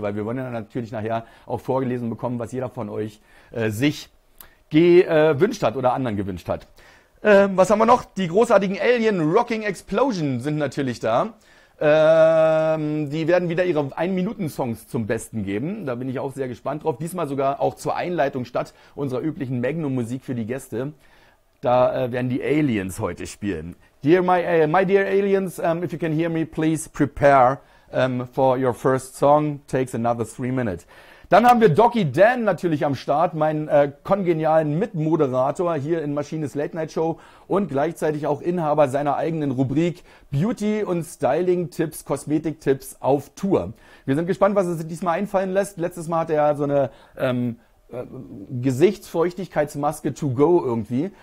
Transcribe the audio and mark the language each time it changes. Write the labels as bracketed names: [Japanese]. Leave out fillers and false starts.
[German] Weil wir wollen ja natürlich nachher auch vorgelesen bekommen, was jeder von euch sich gewünscht hat oder anderen gewünscht hat. Was haben wir noch? Die großartigen Alien Rocking Explosion sind natürlich da. Die werden wieder ihre 1-Minuten-Songs zum Besten geben. Da bin ich auch sehr gespannt drauf. Diesmal sogar auch zur Einleitung statt unserer üblichen Magnum-Musik für die Gäste. Da werden die Aliens heute spielen. [English] Dear my dear Aliens, if you can hear me, please prepare for your first song. Takes another 3 minutes. [German] Dann haben wir Doggy Dan natürlich am Start, meinen kongenialen Mitmoderator hier in Maschines Late Night Show und gleichzeitig auch Inhaber seiner eigenen Rubrik Beauty und Styling Tipps, Kosmetik Tipps auf Tour. Wir sind gespannt, was er sich diesmal einfallen lässt. Letztes Mal hat er ja so eine Gesichtsfeuchtigkeitsmaske to go irgendwie.